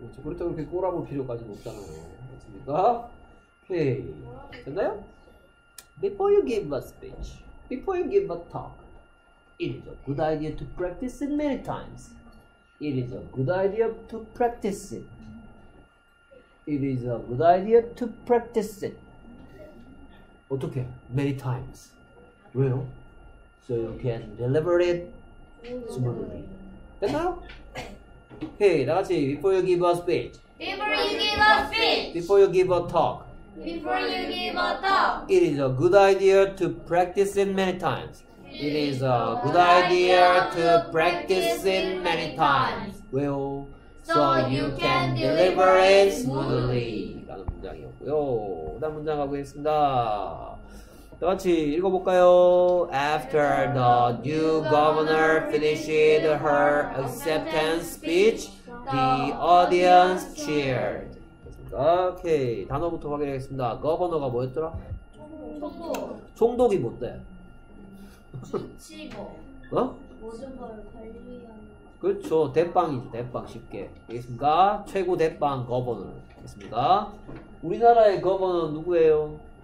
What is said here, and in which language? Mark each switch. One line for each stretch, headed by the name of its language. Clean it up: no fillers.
Korean: 그렇다고 그렇게 꼬라볼 필요까지는 없잖아요. 맞습니까? 오케이. 됐나요?
English: Before you give a speech, before you give a talk, it is a good idea to practice it many times. It is a good idea to practice it. It is a good idea to practice it.
Korean: 어떻게?
English: Many times.
Korean: 왜요?
English: So you can deliver it smoothly.
Korean: 됐나요?
English: Okay,
Korean: 다 같이.
English: Before you give a speech. Before you give a speech. Before you give a talk. Before you give a talk. It is a good idea to practice it many times. It is a good idea to practice it many times. Well, so you can deliver it smoothly.
Korean: 라는 문장이었고요. 다음 문장 가보겠습니다. 다 같이 읽어볼까요?
English: After the new governor finished her acceptance speech, the audience cheered.
Korean: 됐습니다. 오케이. 단어부터 확인하겠습니다. 거버너가 뭐였더라? 총독. 총독이 뭔데? 지치고 어? 모든 걸 관리하는 그렇죠. 대빵이죠. 대빵 쉽게 알겠습니까? 최고 대빵 거버너 알겠습니까? 우리나라의 거버너는 누구예요?